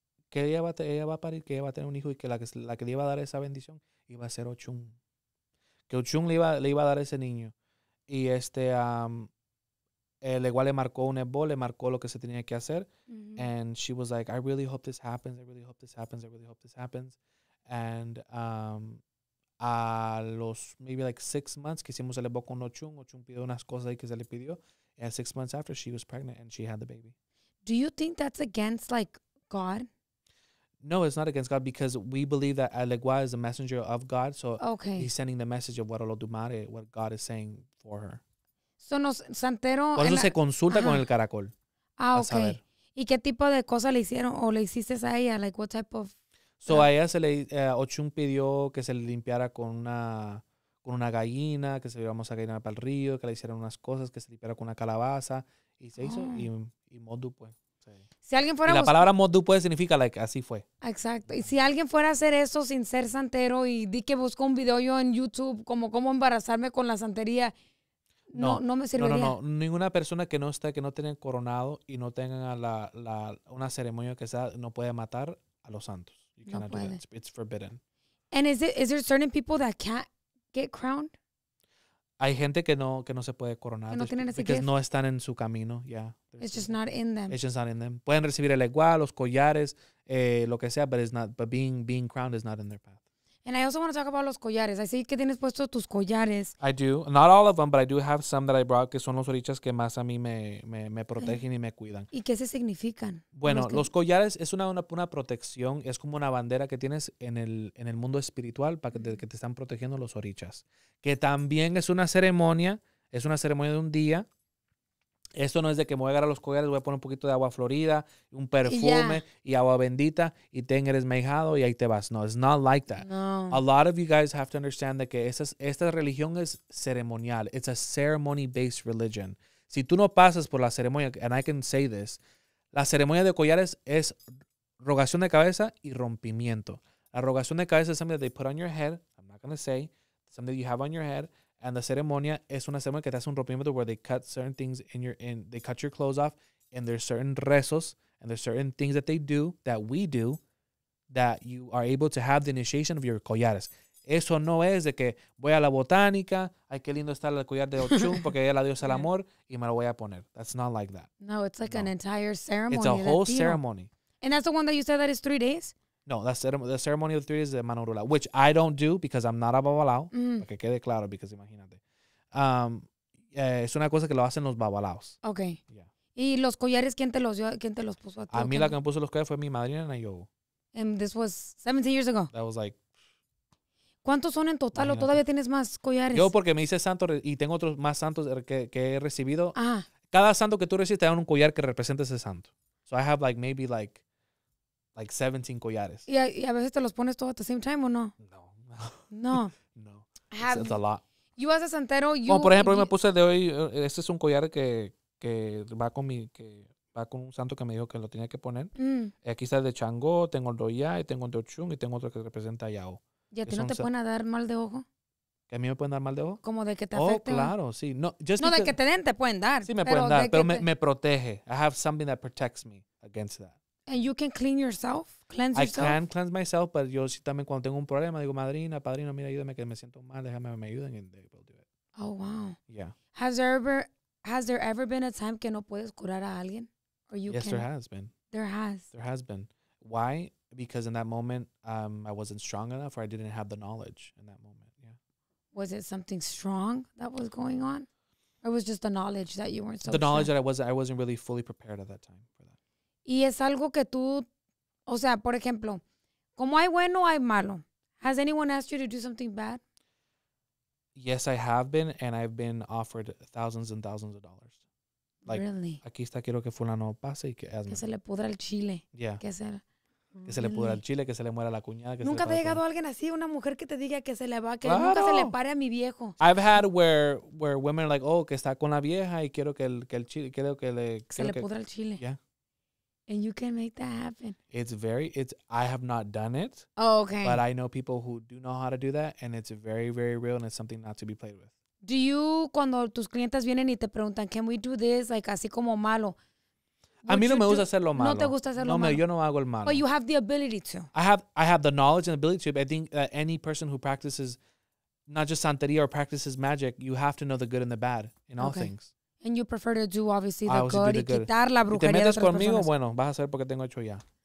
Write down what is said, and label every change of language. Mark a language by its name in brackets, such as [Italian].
[Spanish] Que ella va a parir, que ella va a tener un hijo y que la que le iba a dar esa bendición iba a ser Ochun. Que Ochun le iba a dar ese niño. Y él igual le marcó un ebol, le marcó lo que se tenía que hacer. Mm-hmm. [English] And she was like, I really hope this happens, I really hope this happens, I really hope this happens. [Spanish] And a los [English] maybe like [Spanish] 6 months que hicimos el ebol con Ochun pidió unas cosas ahí que se le pidió. [English] And 6 months after she was pregnant and she had the baby. Do you think that's against like God? No, it's not against God because we believe that Alegua is a messenger of God. So okay. He's sending the message of Guarolodumare, what God is saying for her. So no, Santero. [Spanish] Por eso se consulta con el caracol. Ah, ok. Saber. ¿Y qué tipo de cosas le hicieron o le hiciste a ella? [English] Like, what type of. [Spanish] So a ella se le. Ochun pidió que se le limpiara con una gallina, que se le íbamos a gallinar para el río, que le hicieran unas cosas, que se limpiara con una calabaza. Y se hizo. Y modu, pues. Si alguien fuera y la palabra modu puede significa like, así fue. Exacto. Y si alguien fuera a hacer eso sin ser santero y di que busco un video yo en YouTube como cómo embarazarme con la santería, no me serviría. No. Ninguna persona que no tenga coronado y no tenga una ceremonia que sea, no puede matar a los santos. [English] You cannot do that. It's forbidden. And is there certain people that can't get crowned? [Spanish] Hay gente que no se puede coronar. Que no tienen ese porque no están en su camino, ya. [English] Yeah. It's just not in them. It's just not in them. [Spanish] Pueden recibir el igual, los collares, lo que sea, [English] but it's not. But being crowned is not in their path. And I also want to talk about los collares. I see [Spanish] que tienes puesto tus collares. [English] I do. Not all of them, but I do have some that I brought, [Spanish] que son los orichas que más a mí me protegen y me cuidan. ¿Y qué se significan? Bueno, los collares es una protección, es como una bandera que tienes en el mundo espiritual para que te están protegiendo los orichas. Que también es una ceremonia de un día Esto no es de que me voy a agarrar los collares, voy a poner un poquito de agua florida, un perfume y agua bendita y tengas mejado y ahí te vas. [English] No, it's not like that. No. A lot of you guys have to understand that [Spanish] esta religión es ceremonial. [English] It's a ceremony-based religion. [Spanish] Si tú no pasas por la ceremonia, [English] and I can say this, [Spanish] la ceremonia de collares es rogación de cabeza y rompimiento. [English] La rogación de cabeza es something that they put on your head, I'm not going to say, something that you have on your head, and the ceremonia [Spanish] es una ceremonia que te hace un rompimiento [English] where they cut certain things in your, in, they cut your clothes off, and there's certain rezos, and there's certain things that they do, that we do, that you are able to have the initiation of your collares. [Spanish] Eso no es de que voy a la botánica, ay, qué lindo está el collar de Ochum, porque ella la diosa del amor, y me lo voy a poner. [English] That's not like that. No, it's like an entire ceremony. It's a whole ceremony. And that's the one that you said that is 3 days? No, that's the ceremony of 3 days is the manorula, which I don't do because I'm not a babalao, [Spanish] para que quede claro, [English] because [Spanish] imagínate. Es una cosa que lo hacen los babalaos. [English] Okay. Yeah. [Spanish] ¿Y los collares, quién te los dio, quién te los puso a ti? A mí la que me puso los collares fue mi madrina en Ayogo. [English] And this was 17 years ago? That was like... [Spanish] ¿Cuántos son en total o todavía tienes más collares? Yo porque me hice santo y tengo otros más santos que he recibido. Ah. Cada santo que tú recibes te dan un collar que representa ese santo. [English] So I have like maybe like 17 collares. [Spanish] ¿Y a veces te los pones todos [English] at the same time [Spanish] o no? No. No. [English] No. It's a lot. You as a santero, you... [Spanish] Como por ejemplo, hoy me puse de hoy, este es un collar que va con mi... Que, con un santo que me dijo que lo tenía que poner. Mm. Aquí está el de Changó, tengo el de Oya, tengo el de Ochung y tengo otro que representa a Yao. ¿Y a ti no te pueden dar mal de ojo? ¿Que a mí me pueden dar mal de ojo? Como de que te afecte. Oh, claro, sí. No, de que te den, te pueden dar. Sí, me pueden dar, pero me protege. [English] I have something that protects me against that. And you can clean yourself? Cleanse yourself? I can cleanse myself, [Spanish] pero yo sí también cuando tengo un problema, digo, madrina, padrino, mira, ayúdame que me siento mal, déjame que me ayuden. [English] And they will do it. Oh, wow. Yeah. Has there ever been a time [Spanish] que no puedes curar a alguien? [English] Or you yes, can. There has been. There has. There has been. Why? Because in that moment, I wasn't strong enough or I didn't have the knowledge in that moment. Yeah. Was it something strong that was going on? Or was it just the knowledge that you weren't so The sure? knowledge that I wasn't really fully prepared at that time for that. [Spanish] Y es algo que tú, o sea, por ejemplo, como hay bueno, hay malo. [English] Has anyone asked you to do something bad? Yes, I have been, and I've been offered thousands and thousands of dollars. Like, really? [Spanish] Aquí está, quiero que fulano pase y que hazme. Que se le pudra el chile. [English] Yeah. [Spanish] Que se le pudra el chile, que se le muera la cuñada. Que nunca se le te ha llegado alguien así, una mujer que te diga que se le va, que nunca se le pare a mi viejo. [English] I've had where women are like, oh, [Spanish] que está con la vieja y quiero que el chile, quiero que le... Que se le pudra el chile. [English] Yeah. And you can make that happen. I have not done it. Oh, okay. But I know people who do know how to do that and it's very, very real and it's something not to be played with. Do you, [Spanish] cuando tus clientes vienen y te preguntan, [English] can we do this, like, [Spanish] así como malo? A mí no me gusta hacerlo malo. No te gusta hacerlo malo. No, yo no hago el malo. [English] But you have the ability to. I have the knowledge and ability to. I think that any person who practices, not just Santeria or practices magic, you have to know the good and the bad in all things. And you prefer to do, obviously, the good [Spanish] y quitar la brujería de otras personas. Y te metes conmigo, bueno, vas a hacer porque tengo hecho ya.